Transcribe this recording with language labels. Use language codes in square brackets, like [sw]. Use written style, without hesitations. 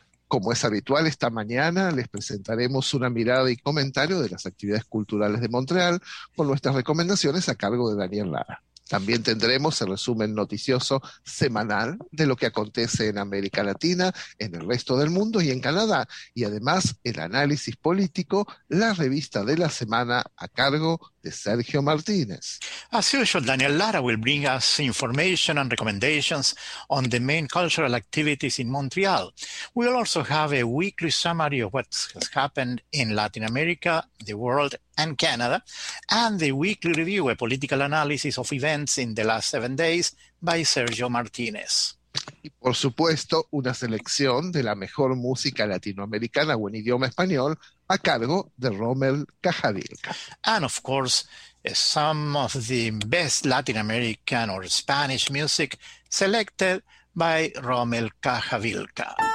[es] Como es habitual, esta mañana les presentaremos una mirada y comentario de las actividades culturales de Montreal con nuestras recomendaciones a cargo de Daniel Lara. También tendremos el resumen noticioso semanal de lo que acontece en América Latina, en el resto del mundo y en Canadá. Y además, el análisis político, la revista de la semana a cargo de Sergio Martínez. [en] As usual, Daniel Lara will bring us information and recommendations on the main cultural activities in Montreal. We will also have a weekly summary of what has happened in Latin America, the world, and Canada, and the weekly review, a political analysis of events in the last 7 days, by Sergio Martínez. [es] Y por supuesto, una selección de la mejor música latinoamericana o en idioma español a cargo de Rommel Cajavilca. [en] And of course, some of the best Latin American or Spanish music selected by Rommel Cajavilca.